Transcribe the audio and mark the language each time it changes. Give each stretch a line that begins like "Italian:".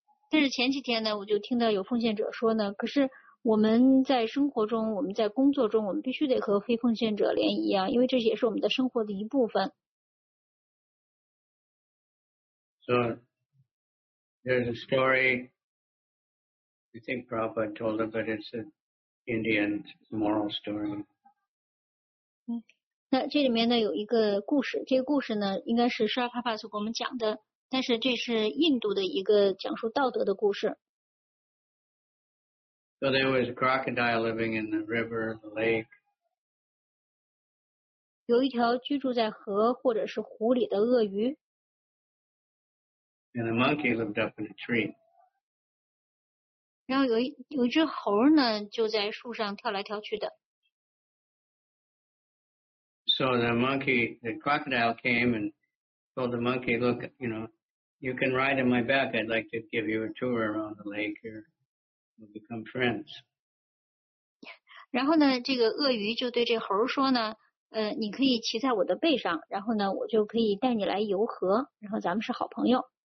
Chinese: 但是前几天呢，我就听到有奉献者说呢，可是我们在生活中，我们在工作中，我们必须得和非奉献者联谊啊，因为这也是我们的生活的一部分。
English: So, there's a story, I think Prabhupada told it, but it's an Indian moral story.
Chinese: 那这里面呢有一个故事，这个故事呢应该是沙帕帕所给我们讲的，但是这是印度的一个讲述道德的故事。
English: So there was a crocodile living in the river, the lake.
Chinese: 有一条居住在河或者是湖里的鳄鱼。
English: And a monkey lived up in a tree.
Chinese: 然后有一只猴呢就在树上跳来跳去的。
English: So the crocodile came and told the monkey, look, you know, you can ride on my back. I'd like to give you a tour around the lake here. We'll become friends.
Chinese: 然后呢，这个鳄鱼就对这猴说呢，你可以骑在我的背上，然后呢，我就可以带你来游河，然后咱们是好朋友。